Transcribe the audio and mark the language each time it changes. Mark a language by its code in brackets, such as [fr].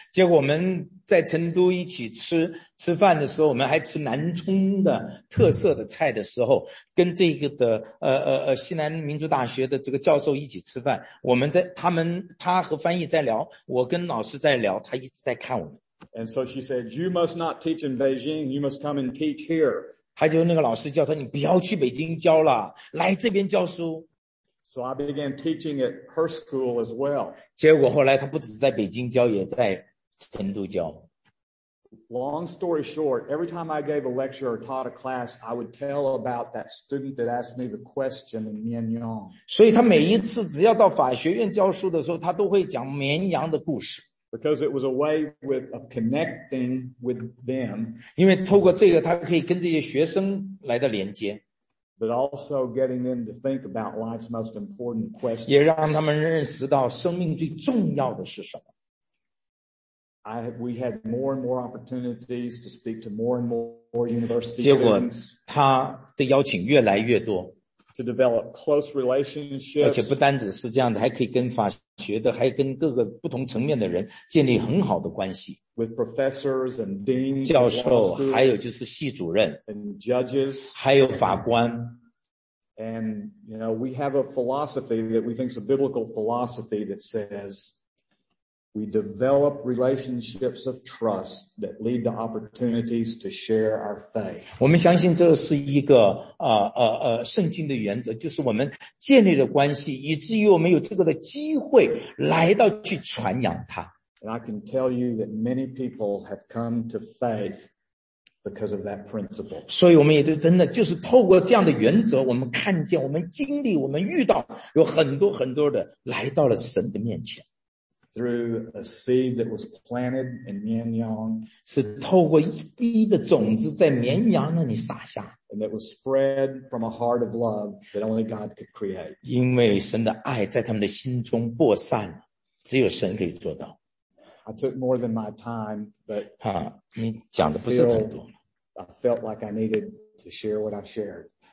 [zh] 结果我们在成都一起吃饭的时候，我们还吃南充的特色的菜的时候，跟这个的西南民族大学的这个教授一起吃饭，他和翻译在聊，我跟老师在聊，他一直在看我们。 [en] And so she said, "You must not teach in Beijing. You must come and teach here." [zh] 他就那个老师叫他，你不要去北京教了，来这边教书。 [en] So I began teaching at her school as well. [zh] 结果后来他不只是在北京教，也在成都教。 [en] Long story short, every time I gave a lecture or taught a class, I would tell about that student that asked me the question in Mianyang. [zh] 所以他每一次只要到法学院教书的时候，他都会讲绵羊的故事。 [en] Because it was a way of connecting with them. [zh] 因为透过这个，他可以跟这些学生来的连接。 [en] But also getting them to think about life's most important questions. [zh] 也让他们认识到生命最重要的是什么。 [en] we had more and more opportunities to speak to more and more university students. [zh] 结果他的邀请越来越多, [en] to develop close relationships. [zh] 而且不单只是这样的, 还可以跟法学的, 还跟各个不同层面的人建立很好的关系, [en] with professors and deans, [zh] 教授, 还有就是系主任, [en] and judges, [zh] 还有法官, [en] and you know, we have a philosophy that we think is a biblical philosophy that says we develop relationships of trust that lead to opportunities to share our faith. [zh] 我们相信这是一个圣经的原则, 就是我们建立的关系, 以至于我们有这个的机会来到去传扬它。 [en] And I can tell you that many people have come to faith because of that principle. [zh] 所以我们也就真的就是透过这样的原则, 我们看见, 我们经历, 我们遇到, 有很多很多的来到了神的面前。 [en] Through a seed that was planted in Mianyang, [zh] 是透过一滴的种子在绵羊那里撒下, [en] and it was spread from a heart of love that only God could create. [zh] 因为神的爱在他们的心中播散, 只有神可以做到。 [en] I took more than my time, but [zh] 啊, 你讲的不是太多, [en] I felt like I needed to share what I've shared.